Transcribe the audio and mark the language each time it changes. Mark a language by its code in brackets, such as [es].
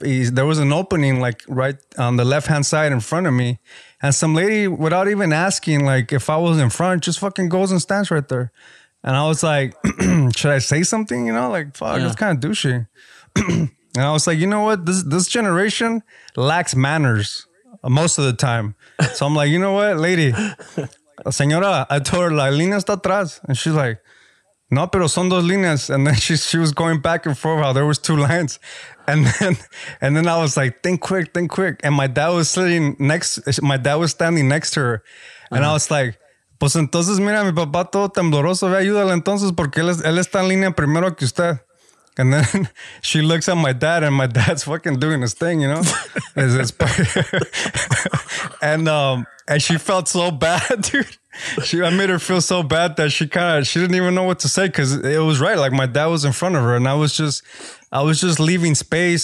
[en] There was an opening like right on the left-hand side in front of me, and some lady, without even asking like if I was in front, just fucking goes and stands right there. And I was like, should I say something? You know, like, fuck, that's kind of douchey. And I was like, you know what? This generation lacks manners most of the time. So I'm like, you know what, lady? [es] Señora, [en] I told her, [es] la línea está atrás. [en] And she's like, [es] no, pero son dos líneas. [en] And then she was going back and forth while there was two lines. And then I was like, think quick. And my dad was sitting next. My dad was standing next to her. And I was like, [es] pues entonces mira, mi papá todo tembloroso. Ve, ayúdale entonces porque él está en línea primero que usted. [en] And then she looks at my dad, and my dad's fucking doing his thing, you know? and she felt so bad, dude. I made her feel so bad that she didn't even know what to say because it was right. Like, my dad was in front of her, and I was just leaving space.